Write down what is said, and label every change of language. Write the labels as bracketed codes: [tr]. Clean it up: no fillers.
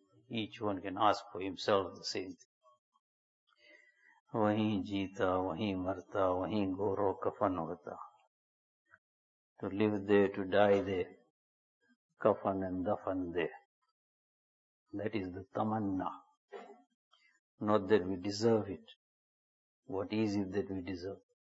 [en] Each one can ask for himself the same thing. [ur] وہیں جیتا وہیں مرتا وہیں گور و کفن ہوتا. [en] To live there, to die there. Kafan and dafan there. That is the tamanna. Not that we deserve it. What is it that we deserve?